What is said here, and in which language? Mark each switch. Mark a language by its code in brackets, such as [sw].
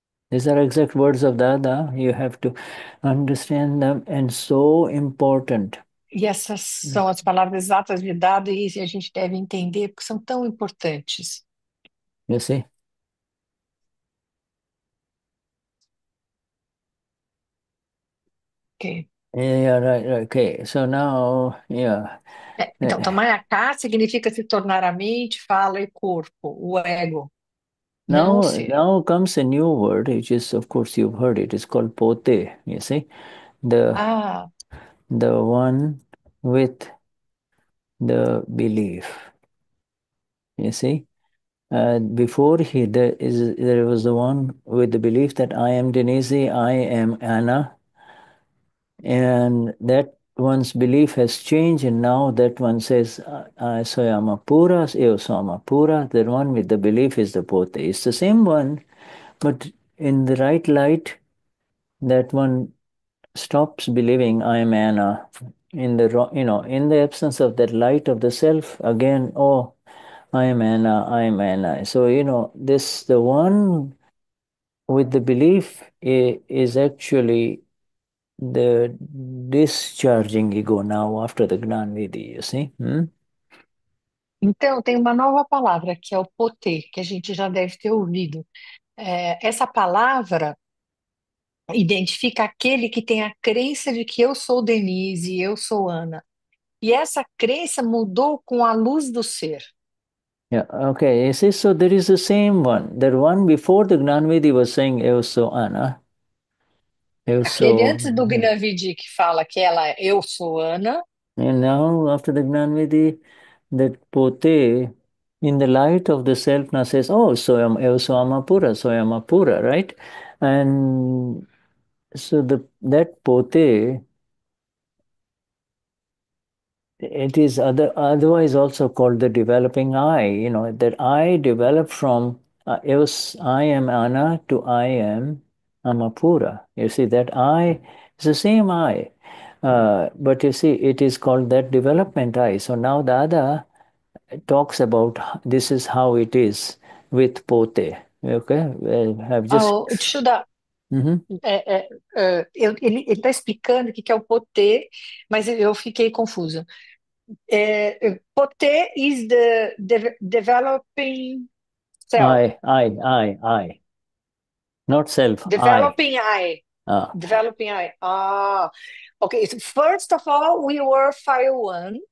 [en] These are exact words of Dada. You have to understand them, and so important. [pt] E essas são as palavras exatas de dado e a gente deve entender porque são tão importantes. [en] You see? Ok. Okay. So now, [pt] Então, Tamayaká significa se tornar a mente, fala e corpo, o ego, não o ser. [en] Now comes a new word, which is, of course, you've heard it. It's called pote. You see, the one with the belief. You see, before he there is there was the one with the belief that I am Denise, I am Anna, and that one's belief has changed, and now that one says, I soyama pura, [pt] eu soyama pura. [en] That one with the belief is the pote. It's the same one, but in the right light, that one stops believing I am Anna. In the wrong, you know, in the absence of that light of the self, again, oh, I am Anna, I am Anna. So, you know, this, the one with the belief is actually the discharging ego now after the Gnanvidhi, you see? [pt] Então, tem uma nova palavra que é o potê, que a gente já deve ter ouvido. É, essa palavra identifica aquele que tem a crença de que eu sou Denise e eu sou Ana. E essa crença mudou com a luz do ser. [en] You see, so there is the same one. That one before the Gnanvedi was saying, [pt] eu sou Anna. Eu Aquele sou. antes do Gnanvidi que fala que ela é eu sou Ana. [en] Now, after the Gnanvidhi, that pote, in the light of the self, now says, oh, so am [pt] eu sou Amapura, [en] so am Amapura, right? And so that pote, it is otherwise also called the developing I, you know, that I develop from I am Ana to I am Amapura. You see, that I is the same I. But you see, it is called that development I. So now Dada talks about this is how it is with Pote. Okay, well, I've just. [pt] Oh, Tsuda, ele está explicando o que é o poté, mas eu fiquei confusa. [en] Poté is the developing self. I. Not self, I. Developing I. Ah. Developing I. Ah, okay. So first of all, we were Fire One,